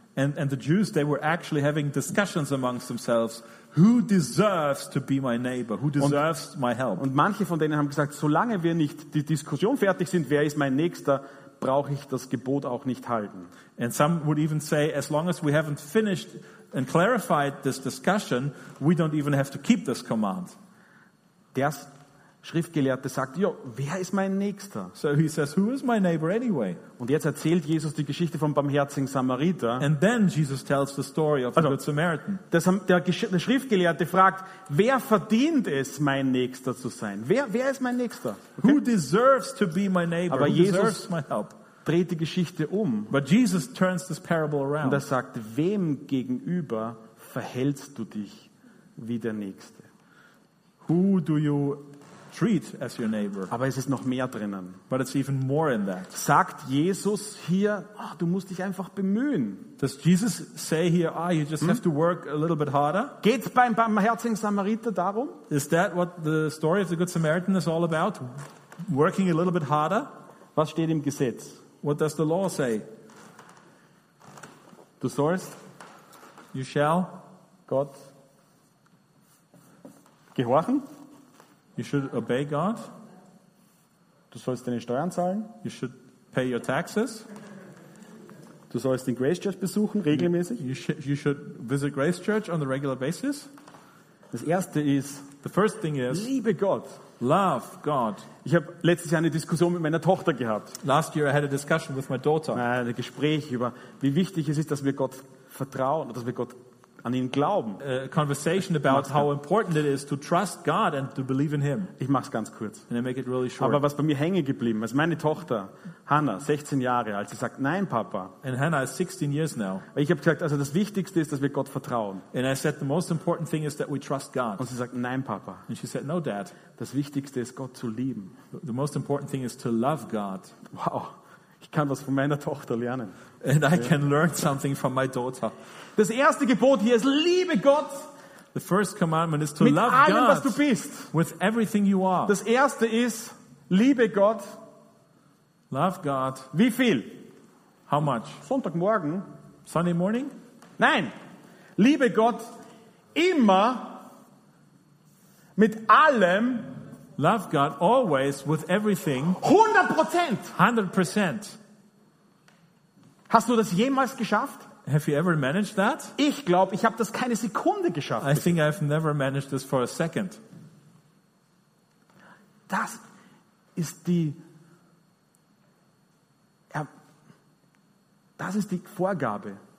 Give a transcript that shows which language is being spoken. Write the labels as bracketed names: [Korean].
[English] And the Jews, they were actually having discussions amongst themselves, who deserves to be my neighbor, who deserves my help? [German] Und manche von denen haben gesagt, solange wir nicht die Diskussion fertig sind, wer ist mein Nächster, brauche ich das Gebot auch nicht halten. [English] And some would even say, as long as we haven't finished and clarified this discussion, we don't even have to keep this command. [German] Der Schriftgelehrte sagt, ja, wer ist mein Nächster? [English] So he says, who is my neighbor anyway? [German] Und jetzt erzählt Jesus die Geschichte vom barmherzigen Samariter. [English] And then Jesus tells the story of the Good Samaritan. [German] Der Schriftgelehrte fragt, wer verdient es, mein Nächster zu sein? Wer ist mein Nächster? [English] Okay. Who deserves to be my neighbor? [German] Aber [English] who Jesus my help? [German] Dreht die Geschichte um. [English] But Jesus turns this parable around. [German] Und er sagt, wem gegenüber verhältst du dich wie der Nächste? [English] Who do you treat as your neighbor. [German] Aber es ist noch mehr drinnen. [English] But it's even more in that. [German] Sagt Jesus hier, oh, du musst dich einfach bemühen. [English] Does Jesus say here, ah, oh, you just have to work a little bit harder? [German] Geht's beim barmherzigen Samariter darum? [English] Is that what the story of the Good Samaritan is all about? Working a little bit harder? [German] Was steht im Gesetz? [English] What does the law say? [German] Du sollst. [English] You shall. [German] Gott. Gehorchen. [English] You should obey God. [German] Du sollst deine Steuern zahlen. [English] You should pay your taxes. [German] Du sollst den Grace Church besuchen regelmäßig. [English] You should visit Grace Church on a regular basis. [German] Das erste ist, [English] the first thing is, [German] liebe Gott. [English] Love God. [German] Ich habe letztes Jahr eine Diskussion mit meiner Tochter gehabt. [English] Last year I had a discussion with my daughter. [German] Ein Gespräch über, wie wichtig es ist, dass wir Gott vertrauen, dass wir Gott an ihn glauben. [English] A conversation about how important it is to trust God and to believe in him. [German] Ich mach's ganz kurz. [English] And I make it really short. [German] Aber was bei mir hängen geblieben ist, meine Tochter Hannah, 16 Jahre, als sie sagt, nein, Papa. [English] And Hannah is 16 years now. [German] Ich habe gesagt, also das Wichtigste ist, dass wir Gott vertrauen. [English] And I said, the most important thing is that we trust God. [German] Und sie sagt, nein, Papa. [English] And she said, no, Dad. [German] Das Wichtigste ist, Gott zu lieben. [English] The most important thing is to love God. Wow. [German] Ich kann was von meiner Tochter lernen. [English] And I can learn something from my daughter. [German] Das erste Gebot hier ist, liebe Gott. [English] The first commandment is to [German] mit [English] love [German] allem, [English] God [German] was du bist. [English] With everything you are. [German] Das erste ist, liebe Gott. [English] Love God. [German] Wie viel? [English] How much? [German] Sonntagmorgen. [English] Sunday morning? [German] Nein. Liebe Gott immer mit allem. [English] Love God always with everything. [German] 100%. [English] 100%. [German] Hast du das jemals geschafft? [English] Have you ever managed that? [German] Ich glaube, ich habe das keine Sekunde geschafft. [English] I think I've never managed this for a second. [German] Das ist die das ist die Vorgabe.